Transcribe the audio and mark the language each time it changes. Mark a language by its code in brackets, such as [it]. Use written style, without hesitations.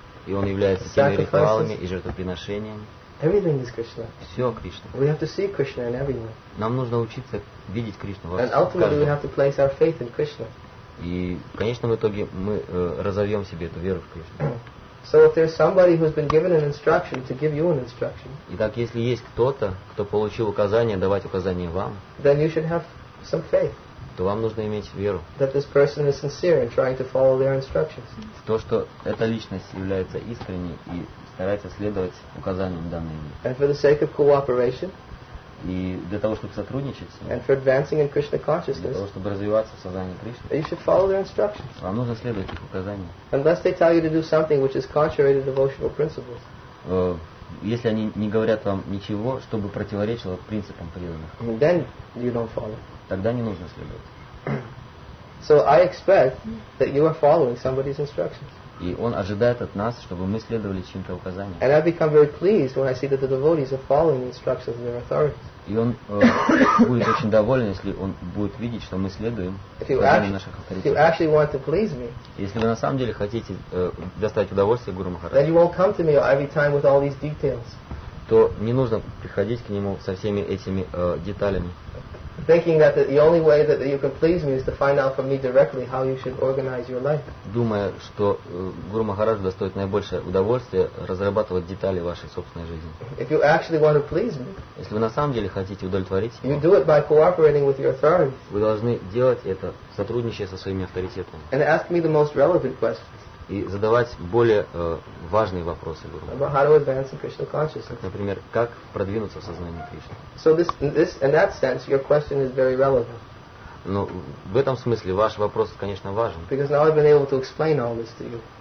[ru] И он является теми ритуалами и жертвоприношениями. [en] Everything is Krishna. [ru] Все Кришна. [en] We have to see Krishna in everyone. [ru] Нам нужно учиться видеть Кришну во всем. [en] And ultimately we have to place our faith in Krishna. [ru] И в конечном итоге мы разовьем себе эту веру в Кришну. [en] So if there's somebody who's been given an instruction to give you an instruction. [ru] Итак, если есть кто-то, кто получил указание давать указание вам, [en] then you should have some faith. [ru] То вам нужно иметь веру. [en] That this person is sincere in trying to follow their instructions. [ru] В то, что эта личность является искренней и старается следовать указаниям данным. [en] And for the sake of cooperation. [ru] И для того, чтобы сотрудничать с ним, [en] and for advancing in Krishna consciousness, [ru] для того, чтобы развиваться в сознании Кришны, [en] you should follow their instructions. [ru] Вам нужно следовать их указаниям. [en] Unless they tell you to do something which is contrary to devotional principles. [ru] Если они не говорят вам ничего, чтобы противоречило принципам преданных, [en] then you don't follow. [ru] Тогда не нужно следовать. [en] So I expect that you are following somebody's instructions. [ru] И он ожидает от нас, чтобы мы следовали чьим-то указаниям. [en] And I become very pleased when I see that the devotees are following the instructions of their authorities. [ru] И он будет очень доволен, если он будет видеть, что мы следуем наших авторитетов. [en] If you actually want to please me, [ru] если вы на самом деле хотите доставить удовольствие Гуру Махараджу, [en] then you won't come to me every time with all these details. [ru] То не нужно приходить к нему со всеми этими деталями. [en] Thinking that the only way that you can please me is to find out from me directly how you should organize your life. [ru] Думая, что Гуру Махарадж достоит наибольшее удовольствие разрабатывать детали вашей собственной жизни. [en] If you actually want to please me, [ru] если вы на самом деле хотите удовлетворить его, [en] you do it by cooperating with your authorities. [ru] Вы должны делать это, сотрудничая со своими авторитетами. [en] And ask me the most relevant questions. [ru] И задавать более важные вопросы Гуру. [en] About how to advance in Krishna consciousness. [ru] Как, например, как продвинуться в сознании Кришны. [en] So this in that sense your question is very relevant. [ru] Но в этом смысле ваш вопрос, конечно, важен. [en] Because now I've been able to explain all this to you.